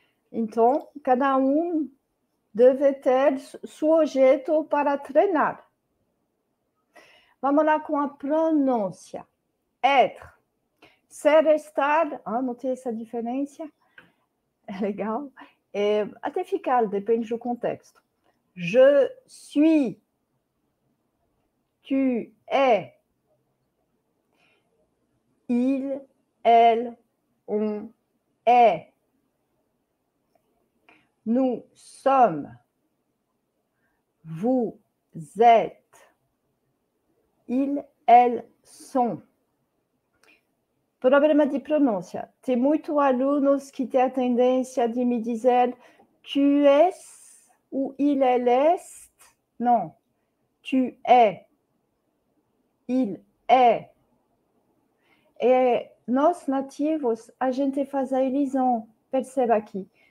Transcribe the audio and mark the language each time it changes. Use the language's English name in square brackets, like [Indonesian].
[Portuguese] Então, cada um deve ter seu jeito para treinar. Vamos lá com a pronúncia. Être. Ser, estar. Ah, notei essa diferença. É legal. É, até ficar, depende do contexto. [French] Je suis. Tu es, il, elle, on est, nous sommes, vous êtes, ils, elles sont. [Portuguese] Problema de pronúncia. Tem muito alunos que têm a tendência de me dizer [French] tu es ou il, elle est. Non, tu es. Il est. [Portuguese] Et nós nativos, a gente faz a elisão. Perceba aqui.